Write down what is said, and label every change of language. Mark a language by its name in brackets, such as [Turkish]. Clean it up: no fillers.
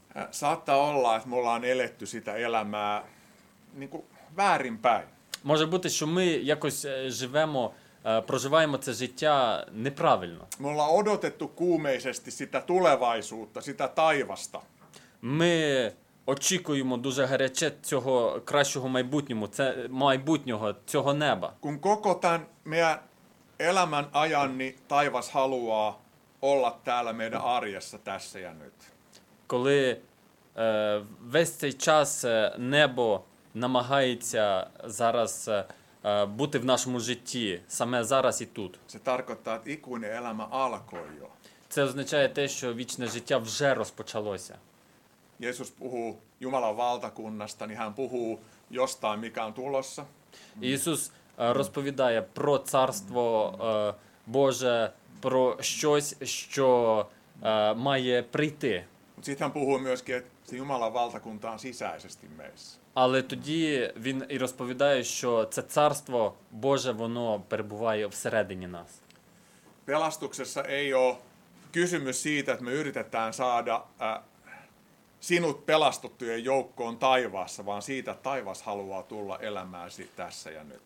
[Finnish] Saattaa olla, että me ollaan eletty sitä elämää niinku väärinpäin. [Ukrainian] Може бути, що ми якось живемо проживаємо це життя неправильно. [Finnish] Me ollaan odotettu kuumeisesti sitä tulevaisuutta, sitä taivasta. [Ukrainian] Ми очікуємо дуже гаряче цього кращого майбутнього, цього неба. [Finnish] Kun koko tämän meidän elämän ajan, niin taivas haluaa olla täällä meidän arjessa tässä ja nyt. [Ukrainian] Коли весь цей час небо намагається зараз бути в нашому житті саме зараз і тут. [Finnish] Це tarkoittaa, että ikuinen elämä alkoi jo. [Ukrainian] Це означає те, що вічне життя вже розпочалося. [Finnish] Jeesus puhuu Jumalan valtakunnasta, niin hän puhuu jostain, mikä on tulossa. [Ukrainian] Jeesus розповідає про царство Боже, про щось, що має прийти. [Finnish] Sitten hän puhuu myöskin, että se Jumalan valtakunta on sisäisesti meissä. [Ukrainian] Але тоді він і розповідає, що це царство Боже, воно перебуває всередині нас. [Finnish] Pelastuksessa ei ole kysymys siitä, että me yritetään saada sinut pelastettujen joukkoon taivaassa, vaan siitä, että taivas haluaa tulla elämääsi tässä ja nyt.